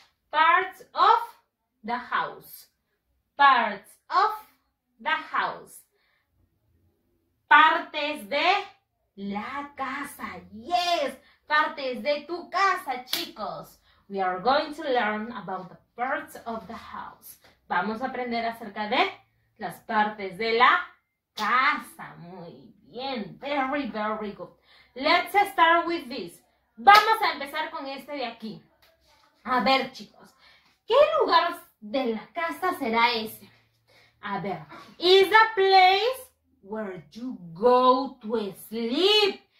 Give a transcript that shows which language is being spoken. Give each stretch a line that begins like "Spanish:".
English: Parts of the house. Parts of the house.
Spanish: Partes de la casa. Yes! Partes de tu casa, chicos.
English: We are going to learn about the parts of the house.
Spanish: Vamos a aprender acerca de las partes de la casa. Muy bien.
English: Very, very good. Let's start with this.
Spanish: Vamos a empezar con este de aquí. A ver, chicos, ¿qué lugar de la casa será ese? A ver,
English: is the place where you go to sleep.